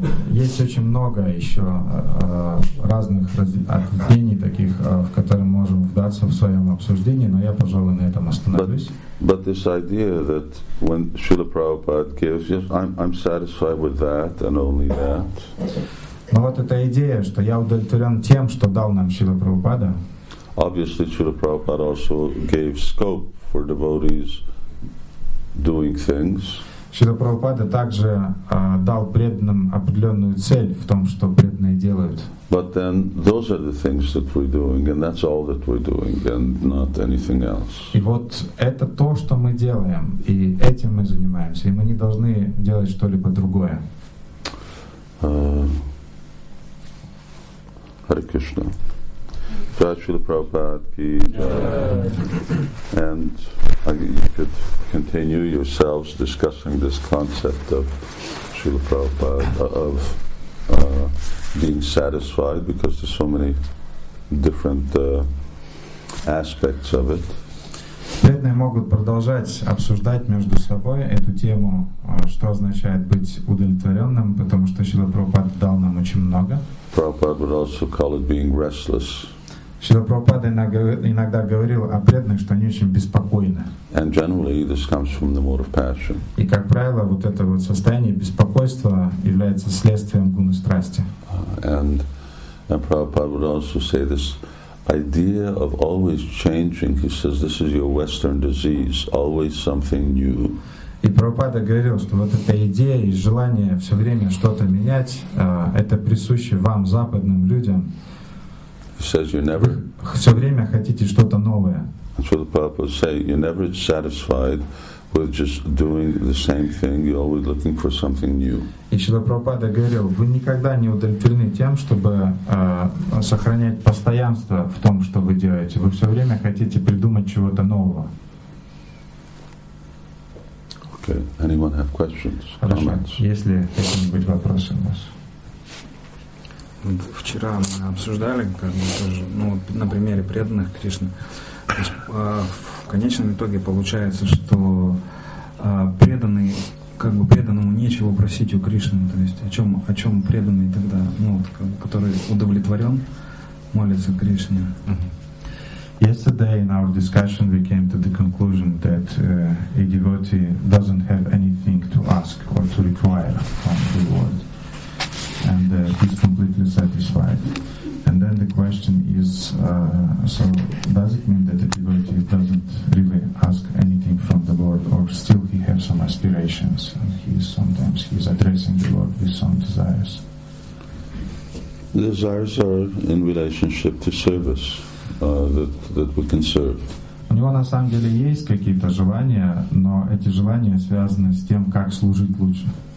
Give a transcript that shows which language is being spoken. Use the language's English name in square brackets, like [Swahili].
[Russian] Есть очень много еще разных ответвлений таких, в которые мы можем вдаться в своем обсуждении, но я, пожалуй, на этом остановлюсь. [English] But this idea that when Srila Prabhupada gives, yes, I'm satisfied with that and only that. [Russian] Но вот эта идея, что я удовлетворен тем, что дал нам Шрила Прабхупада. [English] Obviously, Srila Prabhupada also gave scope for devotees doing things. [Russian] Шрила Прабхупада также дал преданным определенную цель в том, что преданные делают. [English] But then those are the things that we're doing, and that's all that we're doing, and not anything else. [Russian] И вот это то, что мы делаем, и этим мы занимаемся, и мы не должны делать что-либо другое. [English] Hare Krishna. Jai Srila Prabhupada ki jai. And you could continue yourselves discussing this concept of Srila Prabhupada, of being satisfied, because there's so many different aspects of it. [Russian] Преданные могут продолжать обсуждать между собой эту тему, что означает быть удовлетворенным, потому что Шрила Прабхупада дал нам очень много. [English] Prabhupada would also call it being restless. [Russian] Шрила Прабхупада иногда говорил о преданных, что они очень беспокойны. [English] And generally this comes from the mode of passion. [Russian] И, как правило, вот это вот состояние беспокойства является следствием гуны страсти. [English] And Prabhupada would also say this idea of always changing. He says this is your Western disease, always something new. [Russian] И Прабхупада говорил, что вот эта идея и желание все время что-то менять, это присуще вам, западным людям. [English] He says you never. [Russian] Все время хотите что-то новое. [English] That's what the Prabhupada would say. You're never satisfied with just doing the same thing. You're always looking for something new. [Russian] И Шрила Прабхупада говорил, вы никогда не удовлетворены тем, чтобы сохранять постоянство в том, что вы делаете. Вы все время хотите придумать чего-то нового. [English] Okay. Anyone have questions? [Russian] Хорошо. [English] Comments? [Russian] Есть ли какие-нибудь вопросы у вас? Вчера мы обсуждали, как бы тоже, ну, на примере преданных Кришны. То есть, в конечном итоге получается, что преданный, как бы преданному нечего просить у Кришны. То есть о чем преданный тогда, ну, вот, как бы, который удовлетворен, молится Кришне. [English] Yesterday in our discussion we came to the conclusion that a devotee doesn't have anything to ask or to require from the Lord. And he's completely satisfied. And then the question is, so does it mean that the devotee doesn't really ask anything from the Lord, or still he has some aspirations, and he's sometimes addressing the Lord with some desires? The desires are in relationship to service, that we can serve. [Russian] У него на самом деле есть какие-то желания, но эти желания связаны с тем, как служить лучше.